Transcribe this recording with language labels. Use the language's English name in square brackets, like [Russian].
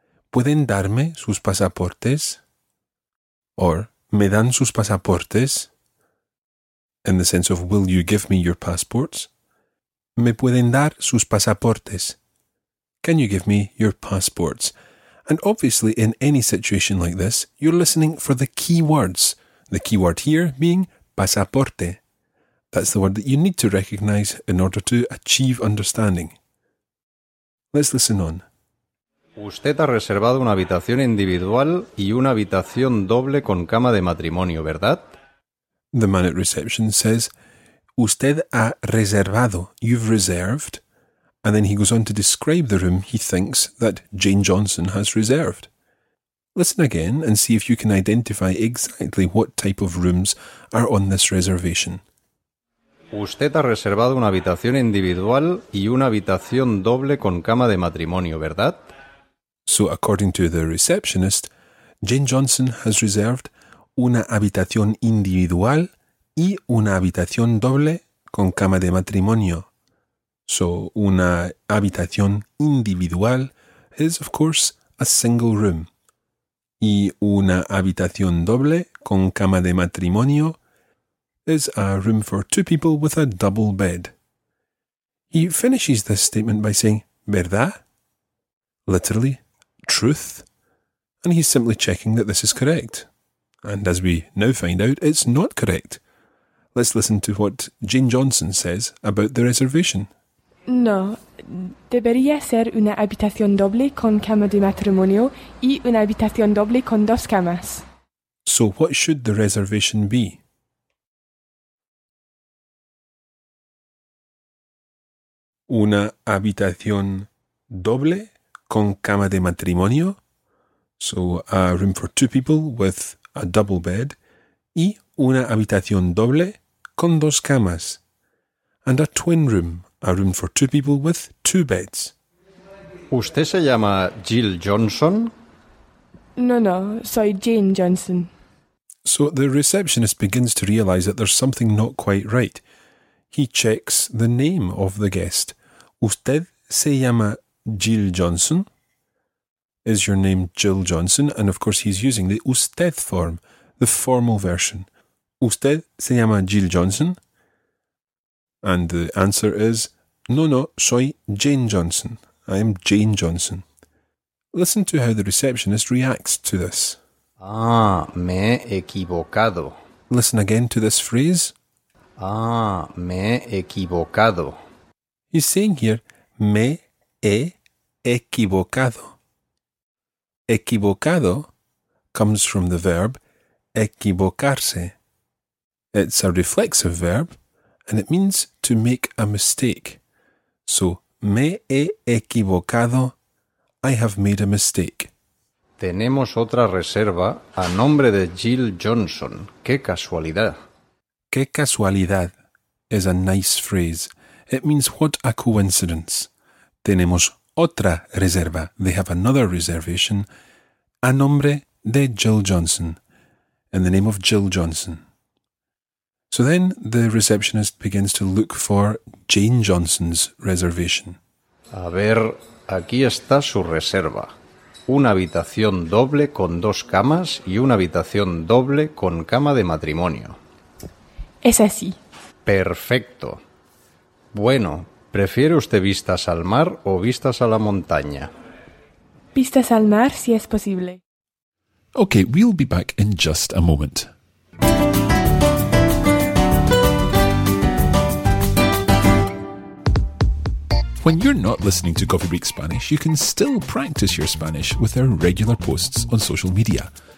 [Spanish] ¿Pueden darme sus pasaportes? Or, ¿me dan sus pasaportes? [English] In the sense of, will you give me your passports? [Spanish] ¿Me pueden dar sus pasaportes? [English] Can you give me your passports? And obviously, in any situation like this, you're listening for the key words. The key word here being pasaporte. That's the word that you need to recognize in order to achieve understanding. Let's listen on. [Spanish] Usted ha reservado una habitación individual y una habitación doble con cama de matrimonio, ¿verdad? [English] The man at reception says, [Spanish] Usted ha reservado, [English] you've reserved. And then he goes on to describe the room he thinks that Jane Johnson has reserved. Listen again and see if you can identify exactly what type of rooms are on this reservation. [Spanish] Usted ha reservado una habitación individual y una habitación doble con cama de matrimonio, ¿verdad? [English] So, according to the receptionist, Jane Johnson has reserved [Spanish] una habitación individual y una habitación doble con cama de matrimonio. [English] So, [Spanish] una habitación individual [English] is, of course, a single room. [Spanish] Y una habitación doble con cama de matrimonio [English] is a room for two people with a double bed. He finishes this statement by saying, ¿verdad? Literally, truth. And he's simply checking that this is correct. And as we now find out, it's not correct. Let's listen to what Jane Johnson says about the reservation. [Spanish] No, debería ser una habitación doble con cama de matrimonio y una habitación doble con dos camas. [English] So what should the reservation be? [Spanish] Una habitación doble con cama de matrimonio. [English] So a room for two people with a double bed. [Spanish] Y una habitación doble con dos camas. [English] And a twin room. A room for two people with two beds. [Spanish] ¿Usted se llama Jill Johnson? No, no, soy Jane Johnson. [English] So the receptionist begins to realize that there's something not quite right. He checks the name of the guest. [Spanish] ¿Usted se llama Jill Johnson? [English] Is your name Jill Johnson? And of course he's using the usted form, the formal version. [Spanish] ¿Usted se llama Jill Johnson? [English] And the answer is, [Spanish] no, no, soy Jane Johnson. [English] I am Jane Johnson. Listen to how the receptionist reacts to this. [Spanish] Ah, me he equivocado. [English] Listen again to this phrase. [Spanish] Ah, me he equivocado. [English] He's saying here, me [Spanish] he equivocado. [English] Equivocado comes from the verb equivocarse. It's a reflexive verb and it means to make a mistake. So, [Spanish] me he equivocado. [English] I have made a mistake. [Spanish] Tenemos otra reserva a nombre de Jill Johnson. ¡Qué casualidad! ¡Qué casualidad! [English] Is a nice phrase. It means what a coincidence. [Spanish] Tenemos otra reserva. [English] They have another reservation. [Spanish] A nombre de Jill Johnson. [English] In the name of Jill Johnson. So then the receptionist begins to look for Jane Johnson's reservation. [Spanish] A ver, aquí está su reserva. Una habitación doble con dos camas y una habitación doble con cama de matrimonio. Es así. Perfecto. Bueno, ¿prefiere usted vistas al mar o vistas a la montaña? Vistas al mar, si es posible. [English] Okay, we'll be back in just a moment. When you're not listening to Coffee Break Spanish, you can still practice your Spanish with our regular posts on social media.